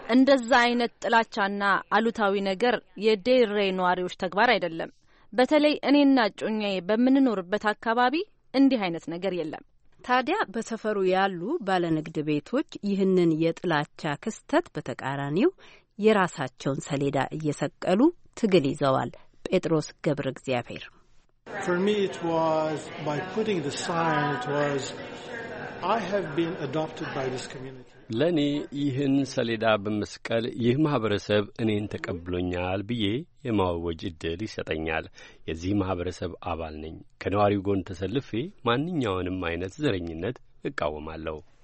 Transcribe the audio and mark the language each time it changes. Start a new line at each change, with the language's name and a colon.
Amharic: እንደዛ አይነት ጥላቻና አሉታዊ ነገር የዴልሬ ነዋሪዎች ተግባር አይደለም። በተለይ እኔና ጮኛዬ በመንኖርበት አካባቢ እንዲህ አይነት ነገር የለም። ታዲያ በሰፈሩ ያሉ ባለንግድ ቤቶች ይህንን የጥላቻ ክስተት በተቃራኒው የራሳቸውን ሰሌዳ እየሰቀሉ ትግል ይዘዋል። ጴጥሮስ ገብረ እግዚአብሔር
English: For me, it was by putting the sign, it was, I have been adopted by this community.
Amharic: ለኔ ይህን ሰሌዳ በመስቀል ይህ ማህበረሰብ እኔን ተቀብሎኛል ብዬ የማወጅ እድል ይሰጠኛል። የዚህ ማህበረሰብ አባል ነኝ። ከነዋሪው ጎን ተሰልፌ ማንኛውንም አይነት ዘረኝነት እቃወማለሁ።